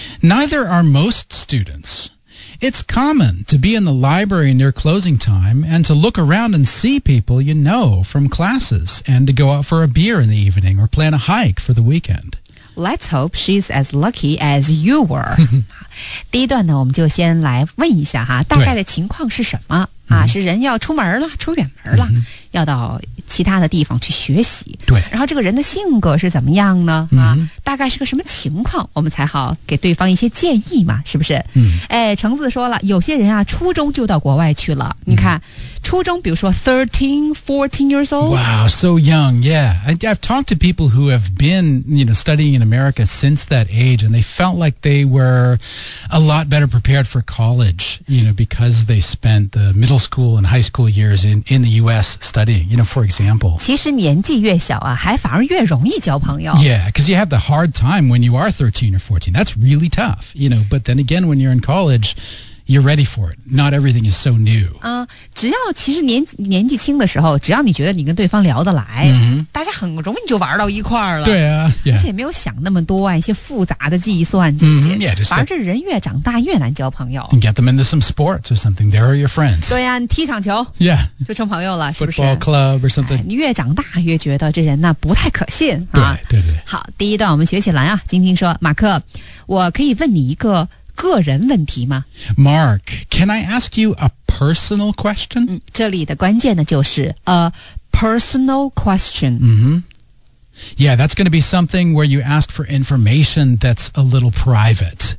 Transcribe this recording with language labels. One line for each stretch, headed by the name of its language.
English: Neither are most students. It's common to be in the library near closing time and to look around and see people you know from classes and to go out for a beer in the evening or plan a hike for the weekend. Let's hope she's as lucky as you were.
Chinese: 第一段呢，我们就先来问一下哈，大概的情况是什么？啊，是人要出门了，出远门了，要到其他的地方去学习。对。然后这个人的性格是怎么样呢？啊，大概是个什么情况，我们才好给对方一些建议嘛，是不是？嗯。哎，橙子说了，有些人啊，初中就到国外去了。你看，初中，比如说
English: 13, 14 years old. Wow, so young. Yeah, I've talked to people who have been, you know, studying in America since that age, and they felt like they were a lot better prepared for college, you know, because they spent the middle school and high school years in the U.S. studying, you know, for example.
Chinese: 其实年纪越小啊，还反而越容易交朋友。
English: Yeah, because you have the hard time when you are 13 or 14. That's really tough, you know, but then again, when you're in college, you're ready for it. Not everything is so new.
Chinese: 只要其实年纪轻的时候，只要你觉得你跟对方聊得来，大家很容易就玩到一块儿了。对啊，而且没有想那么多啊，一些复杂的计算这些。反而这人越长大越难交朋友。
English: And get them into some sports or something. There are your friends.
Chinese: 对啊，你踢场球。
English: Yeah.
Chinese: 就成朋友了，是不是
English: ？Football club or something.
Chinese: 你越长大越觉得这人呢不太可信啊。对。好，第一段我们学起来啊。晶晶说，马克，我可以问你一个个人问题吗？
English: Mark, can I ask you a personal question?
Chinese: 这里的关键呢就是
English: a personal question. Yeah, that's going to be something where you ask for information that's a little private.